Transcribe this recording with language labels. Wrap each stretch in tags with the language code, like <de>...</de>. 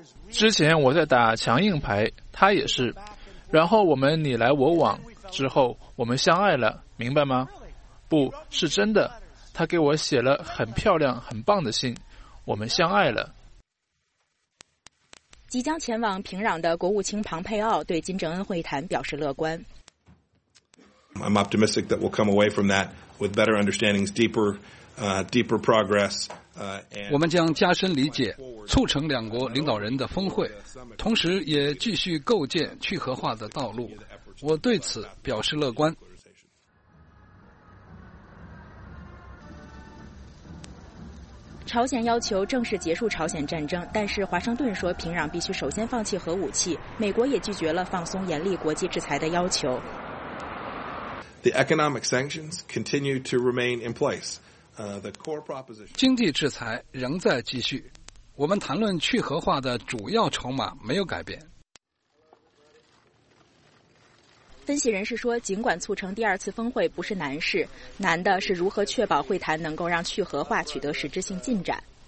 <zh>之前我在打强硬牌，他也是，然后我们你来我往，之后我们相爱了，明白吗？不是真的，他给我写了很漂亮很棒的信，我们相爱了。即将前往平壤的国务卿庞佩奥对金正恩会谈表示乐观。</zh> <en>I'm optimistic that we'll come away from that with better understandings, deeper progress.</en> <zh>我们将加深理解，促成两国领导人的峰会，同时也继续构建去核化的道路，我对此表示乐观。朝鲜要求正式结束朝鲜战争，但是华盛顿说平壤必须首先放弃核武器，美国也拒绝了放松严厉国际制裁的要求。</zh> <en>The economic sanctions continue to remain in place. The core proposition</en> <zh>经济制裁仍在继续，我们谈论去核化的主要筹码没有改变。分析人士说，尽管促成第二次峰会不是难事，难的是如何确保会谈能够让去核化取得实质性进展。</zh>